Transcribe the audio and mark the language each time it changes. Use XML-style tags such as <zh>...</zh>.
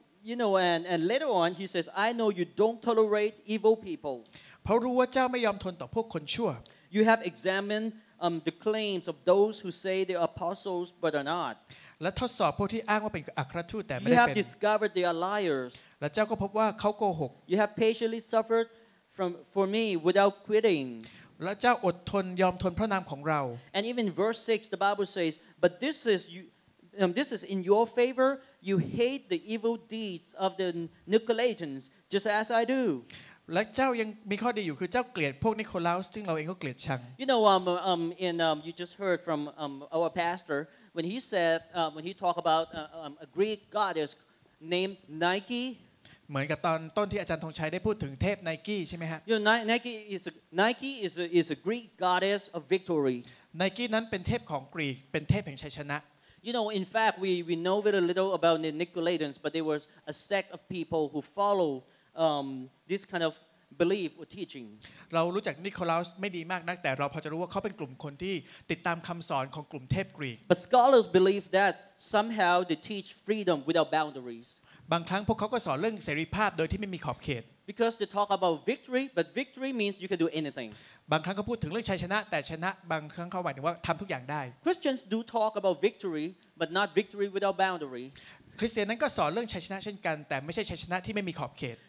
<en>you know and later on he says I know you don't tolerate evil people</en> <th>เพราะรู้ว่าเจ้าไม่ยอมทนต่อพวกคนชั่ว</th> <en>you have examined the claims of those who say they are apostles but are not</en> <th>และทดสอบพวกที่อ้างว่าเป็นอัครทูตแต่ไม่ได้เป็น</th> <en>you have discovered they are liars</en> <th>และเจ้าก็พบว่าเขาโกหก</th> <en>you have patiently suffered for me without quitting</en> <th>และเจ้าอดทนยอมทนพระนามของเรา</th> <en>And even verse 6 the Bible says but this is in your favor you hate the evil deeds of the Nicolaitans just as I do</en> <th>และเจ้ายังมีข้อดีอยู่คือเจ้าเกลียดพวกนิโคลาสซึ่งเราเองก็เกลียดชัง</th> <en>You know you just heard from our pastor when he said when he talked about a Greek goddess named Nike</en> <th>เหมือนกับตอนต้นที่อาจารย์ธงชัยได้พูดถึงเทพไนกี้ใช่มั้ยฮะ</th> <en>You know Nike is a Greek goddess of victory</en> <th>Nike นั้นเป็นเทพของกรีกเป็นเทพแห่งชัยชนะ</th> <en>You know in fact we know very little about the Nicolaitans but there was a sect of people who follow this kind of belief or teaching</en> <th>เรารู้จักนิโคลัสไม่ดีมากนักแต่เราพอจะรู้ว่าเขาเป็นกลุ่มคนที่ติดตามคำสอนของกลุ่มเทพกรีก</th> <en>But scholars believe that somehow they teach freedom without boundaries</en> <th>บางครั้งพวกเขาก็สอนเรื่องเสรีภาพโดยที่ไม่มีขอบเขต</th> <en>Because they talk about victory but victory means you can do anything</en> <th>บางครั้งเขาพูดถึงเรื่องชัยชนะแต่ชนะบางครั้งเขาหมายถึงว่าทำทุกอย่างได้</th> <en>Christians do talk about victory but not victory without boundary</en> <th>คริสเตียนนั้นก็สอนเรื่องชัยชนะเช่นกันแต่ไม่ใช่ชัยชนะที่ไม่มีขอบเขต</th>